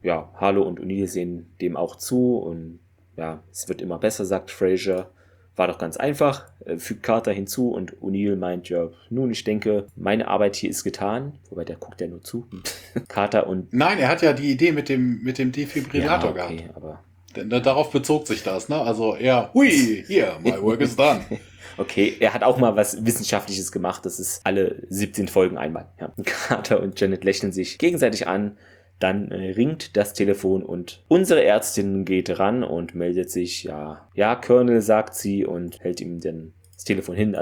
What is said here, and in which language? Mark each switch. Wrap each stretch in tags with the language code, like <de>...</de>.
<de>Ja, Harlow und O'Neill sehen dem auch zu und ja, es wird immer besser, sagt Fraser. War doch ganz einfach, fügt Carter hinzu und O'Neill meint, ja, nun, ich denke, meine Arbeit hier ist getan. Wobei, der guckt ja nur zu. Carter und... Nein, er hat ja die Idee mit dem Defibrillator gehabt. Ja, okay, aber... Darauf bezog sich das, ne? Also er, hui, hier,</de> <en>my work is done.</en> <de>Okay, er hat auch mal was Wissenschaftliches gemacht. Das ist alle 17 Folgen einmal. Ja. Carter und Janet lächeln sich gegenseitig an. Dann ringt das Telefon und unsere Ärztin geht ran und meldet sich. Ja, ja, Colonel, sagt sie und hält ihm dann das Telefon hin.</de>